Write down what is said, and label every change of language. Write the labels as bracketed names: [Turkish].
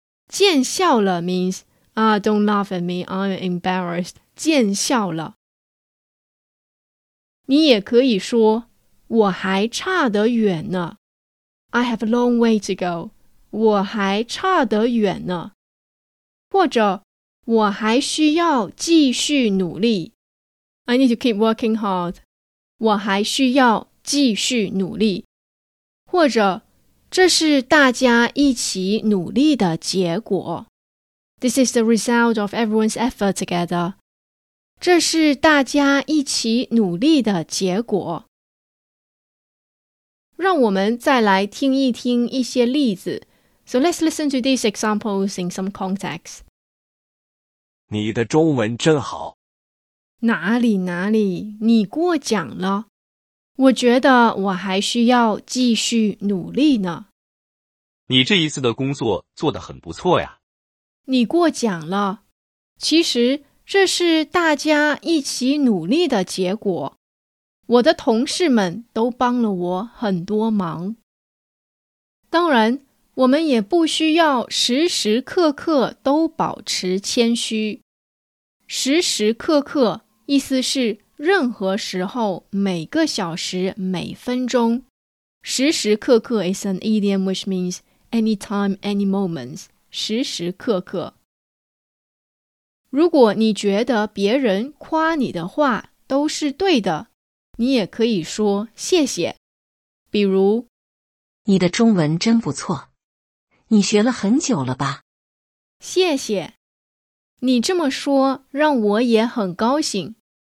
[English] 见笑了 means, ah, don't laugh at me, I'm embarrassed. [Chinese] 见笑了。你也可以说我还差得远呢。 [English] I have a long way to go. [Chinese] 我还差得远呢。或者我还需要继续努力。 [English] I need to keep working hard. [Chinese] 我还需要继续努力。或者这是大家一起努力的结果。 [English] This is the result of everyone's effort together. [Chinese] 这是大家一起努力的结果。让我们再来听一听一些例子。 [English] So let's listen to these examples in some context. [Chinese] 你的中文真好。哪里哪里，你过奖了。我觉得我还需要继续努力呢。你这一次的工作做得很不错呀。你过奖了。其实这是大家一起努力的结果。我的同事们都帮了我很多忙。当然，我们也不需要时时刻刻都保持谦虚。时时刻刻意思是任何时候，每个小时，每分钟。 [English] 时时刻刻 is an idiom which means anytime, any moments, 时时刻刻。 [Chinese] 如果你觉得别人夸你的话都是对的，你也可以说谢谢。比如，你的中文真不错，你学了很久了吧？谢谢，你这么说让我也很高兴。